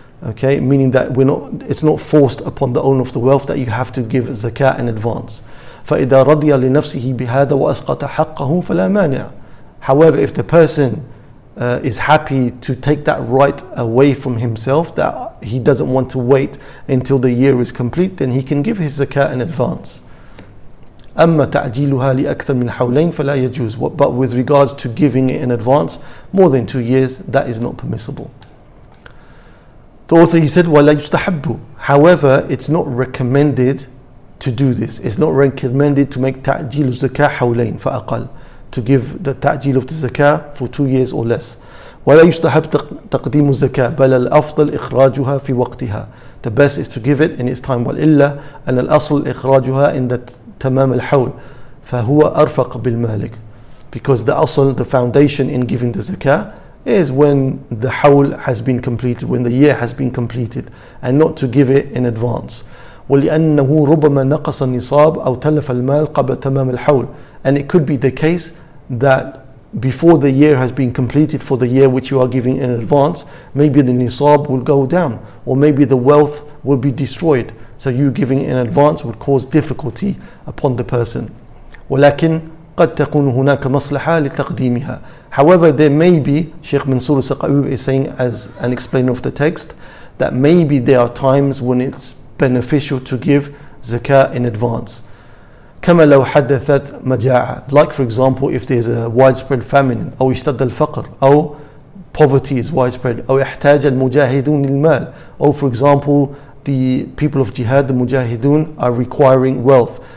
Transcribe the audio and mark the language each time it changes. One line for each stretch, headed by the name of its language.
English: Okay, meaning that it's not forced upon the owner of the wealth that you have to give zakat in advance.
Arabic: فَإِذَا رَضِيَ لِنَفْسِهِ بِهَذَا وَأَسْقَطَ حَقَّهُ فَلَا مَانِعَ.
English: However, if the person is happy to take that right away from himself, that he doesn't want to wait until the year is complete, then he can give his zakat in advance.
Arabic: أما تعجيلها لأكثر من حولين فلا يجوز.
English: But with regards to giving it in advance more than 2 years, that is not permissible. The author, he said,
Arabic: ولا يستحب.
English: However, it's not recommended to do this. It's not recommended to make
Arabic: تعجيل الزكاة حولين فأقل,
English: to give the تعجيل of the زكاة for 2 years or less.
Arabic: ولا يستحب تقديم الزكاة بل الأفضل إخراجها في وقتها.
English: The best is to give it in its time.
Arabic: وإلا أن الأصل إخراجها
English: in that
Arabic: تمام الحول فهو أرفق بالمالك.
English: Because the asl, the foundation in giving the zakah, is when the hawl has been completed, when the year has been completed, and not to give it in advance.
Arabic: ولأنه ربما نقص النصاب أو تلف المال قبل تمام الحول.
English: And it could be the case that before the year has been completed for the year which you are giving in advance, maybe the nisab will go down, or maybe the wealth will be destroyed. So you giving in advance would cause difficulty upon the person.
Arabic: ولكن قد تكون هناك مصلحة لتقديمها.
English: However, there may be, Sheikh Mansur Saqa'ub is saying as an explainer of the text, that maybe there are times when it's beneficial to give zakah in advance.
Arabic: كما لو حدثت مجاعة.
English: Like for example, if there's a widespread famine,
Arabic: أو اشتد الفقر,
English: أو poverty is widespread,
Arabic: أو احتاج المجاهدون للمال,
English: أو for example, the people of jihad, the mujahidun, are requiring wealth.